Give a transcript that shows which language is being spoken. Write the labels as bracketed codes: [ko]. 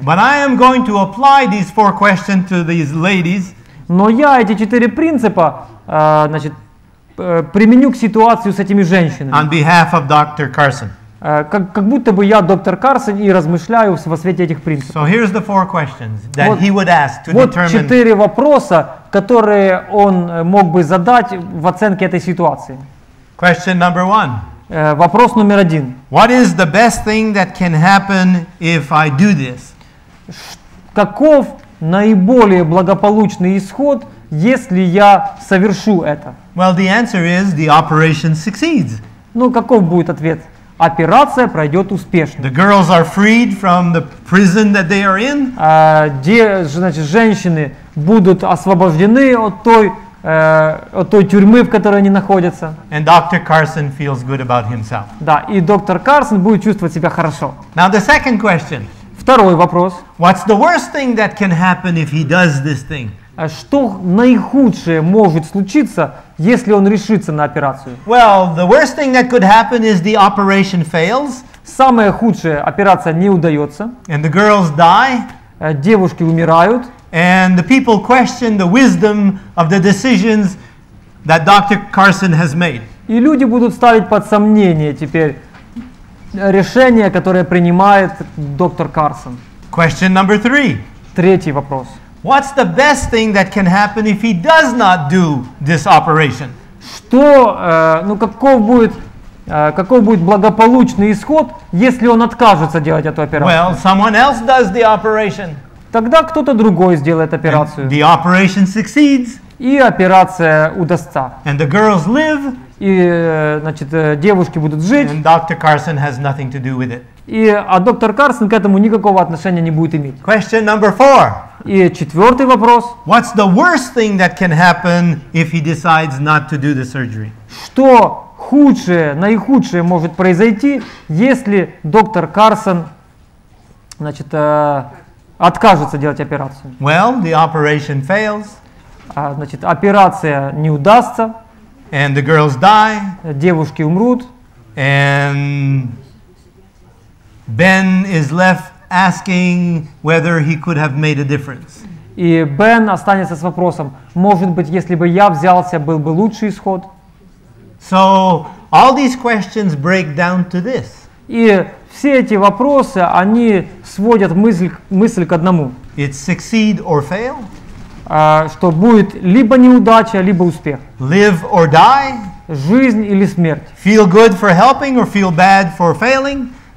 [en] But I am going to apply these four questions to these ladies. [ru] Но я эти четыре принципа, значит, применю к ситуации с этими женщинами. [en] On behalf of Dr. Carson. [ru] Как будто бы я доктор Карсон и размышляю во свете этих принципов. [en] So here's the four questions that he would ask to [ru] вот [en] determine. [ru] Четыре вопроса, которые он мог бы задать в оценке этой ситуации. [en] Question number one. [ru] Вопрос номер один. [en] What is the best thing that can happen if I do this? [ru] Каков наиболее благополучный исход, если я совершу это? [en] Well, the answer is the operation succeeds. [ru] Ну, каков будет ответ? Операция пройдет успешно. [en] The girls are freed from the prison that they are in. [ru] Значит, женщины будут освобождены от той тюрьмы, в которой они находятся. [en] And Dr. Carson feels good about himself. [ru] Да, и доктор Карсон будет чувствовать себя хорошо. [en] Now the second question. [ru] Второй вопрос. [en] What's the worst thing that can happen if he does this thing? [ru] Что наихудшее может случиться, если он решится на операцию? [en] Well, the worst thing that could happen is the operation fails. [ru] Самое худшее, операция не удается. [en] And the girls die. [ru] девушки умирают. [en] And the people question the wisdom of the decisions that Dr. Carson has made. [ru] И люди будут ставить под сомнение теперь решение, которое принимает доктор Карсон. [en] Question number three. [ru] Третий вопрос. [en] What's the best thing that can happen if he does not do this operation? [ru] Что, ну каков будет благополучный исход, если он откажется делать эту операцию? [en] Well, someone else does the operation. [ru] Тогда кто-то другой сделает операцию. [en] And the operation succeeds. [ru] И операция удастся. [en] And the girls live. [ru] И, значит, девушки будут жить. [en] And Dr. Carson has nothing to do with it. [ru] А доктор Карсон к этому никакого отношения не будет иметь. [en] Question number four. [ru] И четвертый вопрос. [en] What's the worst thing that can happen if he decides not to do the surgery? [ru] Что худшее, наихудшее может произойти, если доктор Карсон, значит, откажется делать операцию? [en] Well, the operation fails. [ru] Значит, операция не удастся. [en] And the girls die. [ru] Девушки умрут. [en] And Ben is left asking whether he could have made a difference. [ru] И Бен останется с вопросом: может быть, если бы я взялся, был бы лучший исход? [en] So all these questions break down to this. [ru] И все эти вопросы, они сводят мысль к одному. [en] It succeed or fail? [ru] Что будет либо неудача, либо успех. [en] Live or die? [ru] Жизнь или смерть. [en] Feel good for helping or feel bad for failing?